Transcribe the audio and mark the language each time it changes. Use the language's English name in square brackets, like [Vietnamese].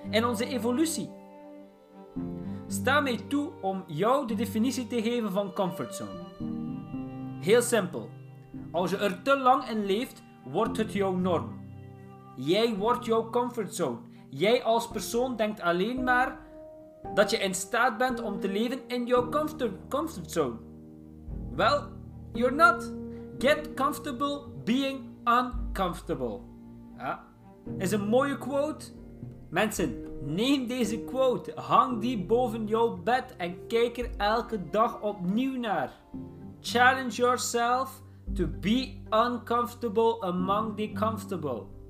[Dutch] In onze evolutie. Sta mij toe om jou de definitie te geven van comfortzone. Heel simpel. Als je er te lang in leeft, wordt het jouw norm. Jij wordt jouw comfortzone. Jij als persoon denkt alleen maar dat je in staat bent om te leven in jouw comfortzone. [English] Well, you're not. Get comfortable being uncomfortable. [Dutch] Ja. Is een mooie quote. Mensen, neem deze quote. Hang die boven jouw bed en kijk er elke dag opnieuw naar. [English] Challenge yourself to be uncomfortable among the comfortable.